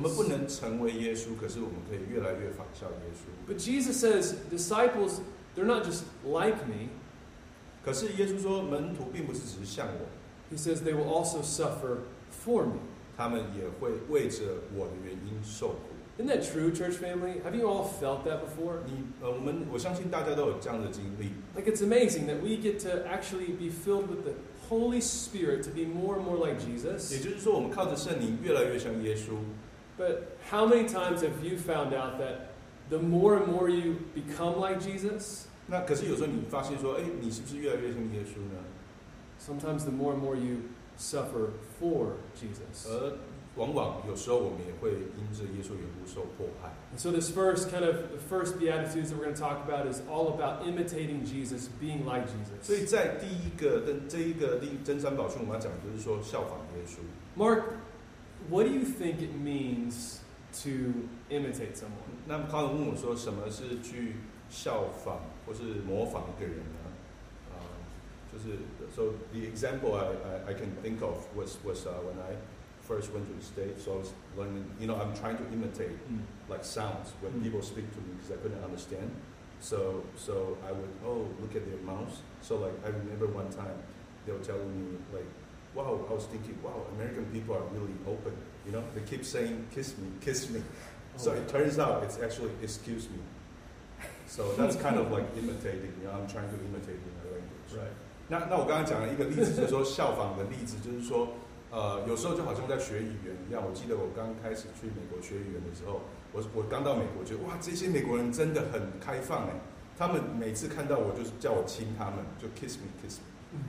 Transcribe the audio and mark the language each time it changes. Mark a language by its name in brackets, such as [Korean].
[Chinese] 我们不能成为耶稣，可是我们可以越来越仿效耶稣。 [English] But Jesus says, disciples, they're not just like me. [Chinese] 可是耶稣说，门徒并不是只是像我。 [English] He says they will also suffer for me. [Chinese] 他们也会为着我的原因受苦。 [English] Isn't that true, church family? Have you all felt that before? [Chinese] 我相信大家都有这样的经历。 [English] Like, it's amazing that we get to actually be filled with the Holy Spirit to be more and more like Jesus. [Chinese] 也就是说，我们靠着圣灵越来越像耶稣。 [English] But how many times have you found out that the more and more you become like Jesus? [Chinese] 那可是有时候你发现说，哎，你是不是越来越像耶稣呢？ [English] Sometimes the more and more you suffer for Jesus. [Chinese] 往往有时候我们也会因着耶稣缘故受迫害。 [English] So this first kind of the first beatitudes that we're going to talk about is all about imitating Jesus, being like Jesus. [Chinese] 所以在第一个的这一个第真三宝训，我们要讲就是说效仿耶稣。 [English] Mark, what do you think it means to imitate someone? [Chinese] 那康文问我说，什么是去效仿或是模仿一个人呢？就是 [English] so the example I can think of was when I first went to the States, so I was learning, you know, I'm trying to imitate like sounds when people speak to me because I couldn't understand. So I would, oh, look at their mouths. So like, I remember one time they were telling me like, wow, I was thinking, wow, American people are really open. You know, they keep saying, kiss me, kiss me. So it turns out it's actually, excuse me. So that's kind of like imitating, you know, I'm trying to imitate in their language. Right. [Chinese] 那我刚刚讲的一个例子就是说效仿的例子就是说有时候就好像在学语言一样。我记得我刚开始去美国学语言的时候，我刚到美国，觉得哇，这些美国人真的很开放哎。他们每次看到我，就是叫我亲他们，就 [English] kiss me, kiss me。